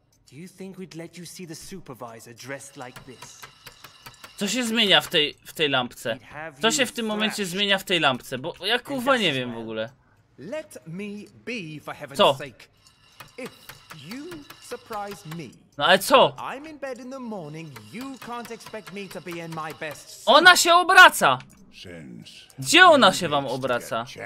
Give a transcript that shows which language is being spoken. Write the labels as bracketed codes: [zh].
[en] Do you think we'd let you see the supervisor dressed like this? [pl] Co się zmienia w tej lampce? Co się w tym momencie zmienia w tej lampce? Bo ja kurwa nie wiem w ogóle. [en] Let me be for heaven's sake. If you surprise me. [pl] No ale co? [en] I'm in bed in the morning. You can't expect me to be in my best. [pl] Ona się obraca. Gdzie ona się wam obraca?